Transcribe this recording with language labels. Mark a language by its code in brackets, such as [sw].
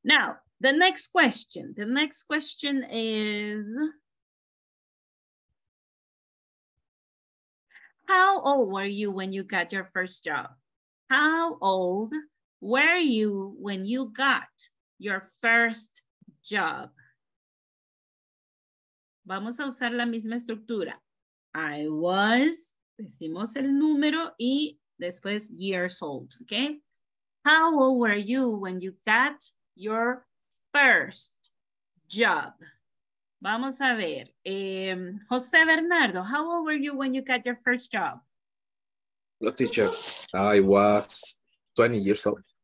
[en] Now, the next question. The next question is, how old were you when you got your first job? How old were you when you got your first job? [es] Vamos a usar la misma estructura. [en] I was, [es] decimos el número y después [en] years old, okay? How old were you when you got your first job? [es] Vamos a ver, [en] José Bernardo, how old were you when you got your first job? Hello, teacher, I was 20 years old.